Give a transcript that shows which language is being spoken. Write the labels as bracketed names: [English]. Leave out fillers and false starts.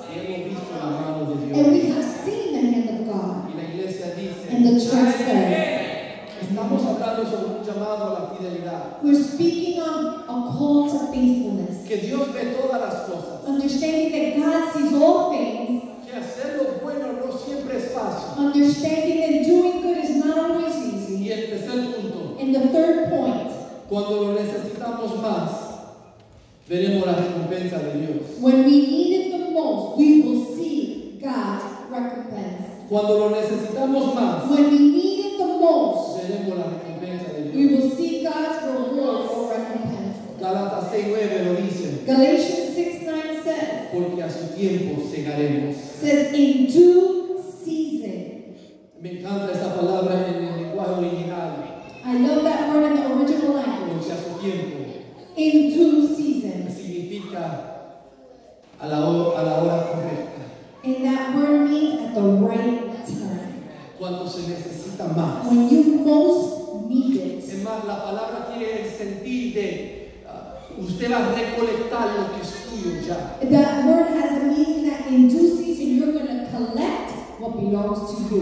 [English] And we have seen the hand of God. [Spanish] Y la iglesia dice, [English] and the church says, [Spanish] estamos hablando sobre un llamado a la fidelidad. [English] We're speaking of a call to faithfulness. [Spanish] Que Dios ve todas las cosas. [English] Understanding that God sees all things. [Spanish] Que hacer lo bueno no siempre es fácil. [English] Understanding that doing good is not always easy. [Spanish] Y el tercer punto. [English] And the third point. [Spanish] Cuando lo necesitamos más, veremos la recompensa de Dios. [English] When we need it the most, we will see God's recompense. [Spanish] Cuando lo necesitamos más, [English] when we need it the most, [Spanish] veremos la recompensa de Dios. [English] We will see God's reward or recompense. [Spanish] Galatas 6:9 lo dice. [English] Galatians 6:9 says. [Spanish] Porque a su tiempo segaremos. [English] Says in due season. [Spanish] Me encanta esta palabra en el lenguaje original. [English] I love that word in the original language. [Spanish] Porque a su tiempo. [English] In due season. [Spanish] Significa a la hora correcta. [English] And that word means at the right time. [Spanish] Cuando se necesita más. [English] When you most need it. [Spanish] Es más, la palabra tiene el sentir de usted va a recolectar lo que es tuyo ya. [English] That word has a meaning that in due season you're going to collect what belongs to you.